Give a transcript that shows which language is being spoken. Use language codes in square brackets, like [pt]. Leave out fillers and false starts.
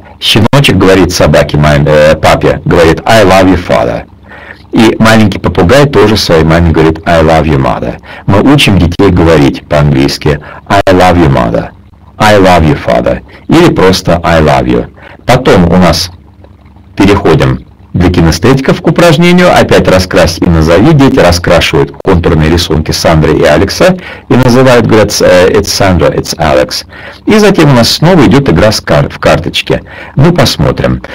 [ru] Щеночек говорит собаке, папе, говорит [en] «I love you, father». [ru] И маленький попугай тоже своей маме говорит [en] «I love you, mother». [ru] Мы учим детей говорить по-английски [en] «I love you, mother», «I love you, father» [ru] или просто [en] «I love you». [ru] Потом у нас переходим для кинестетиков к упражнению «Опять раскрась и назови». Дети раскрашивают контурные рисунки Сандры и Алекса и называют, говорят [en] «It's Sandra, it's Alex». [ru] И затем у нас снова идет игра в карточке. Ну, посмотрим.